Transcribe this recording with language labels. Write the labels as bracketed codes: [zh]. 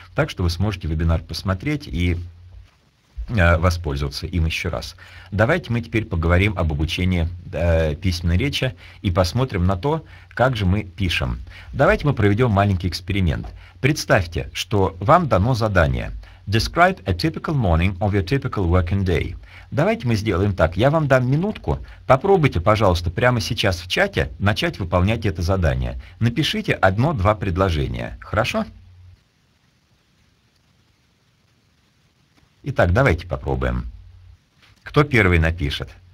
[ru] Так что вы сможете вебинар посмотреть и воспользоваться им еще раз. Давайте мы теперь поговорим об обучении письменной речи и посмотрим на то, как же мы пишем. Давайте мы проведем маленький эксперимент. Представьте, что вам дано задание. [en] Describe a typical morning of your typical working day. [ru] Давайте мы сделаем так. Я вам дам минутку. Попробуйте, пожалуйста, прямо сейчас в чате начать выполнять это задание. Напишите одно-два предложения. Хорошо? Итак, давайте попробуем. Кто первый напишет?